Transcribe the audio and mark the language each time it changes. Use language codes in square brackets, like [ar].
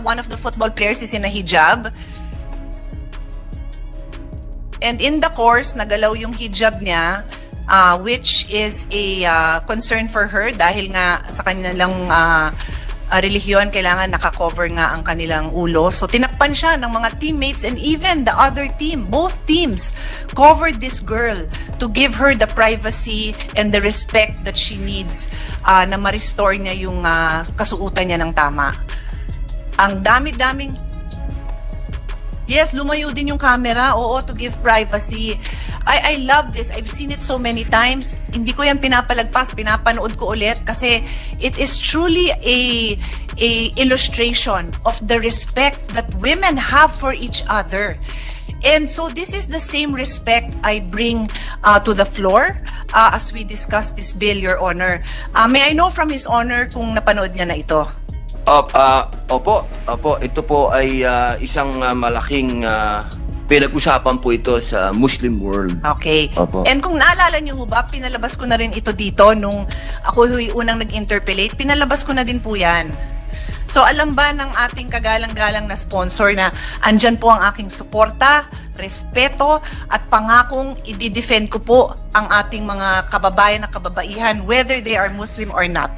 [en] One of the football players is in a hijab. [tl] And in the course, nagalaw yung hijab niya, [en] which is a concern for her [tl] dahil nga sa kanilang reliyon, kailangan nakakover nga ang kanilang ulo. So tinakpan siya ng mga teammates [en] and even the other team, both teams, covered this girl to give her the privacy and the respect that she needs [tl] na ma-restore niya yung kasuutan niya ng tama. Ang dami-daming... [en] Yes, [tl] lumayo din yung [en] camera. Oo, to give privacy. I love this. I've seen it so many times. [tl] Hindi ko yan pinapalagpas. Pinapanood ko ulit. [en] Kasi it is truly a illustration of the respect that women have for each other. And so this is the same respect I bring to the floor as we discuss this bill, Your Honor. May I know from His Honor [tl] kung napanood niya na ito? Opo. Ito po ay isang malaking pinag-usapan po ito sa Muslim world. Okay. Opo. And kung naalala niyo ho ba, pinalabas ko na rin ito dito nung ako yung unang nag-interpellate. Pinalabas ko na din po yan. So alam ba ng ating kagalang-galang na sponsor na andyan po ang aking suporta, respeto, at pangakong i-defend ko po ang ating mga kababayan at kababaihan, [en] whether they are Muslim or not.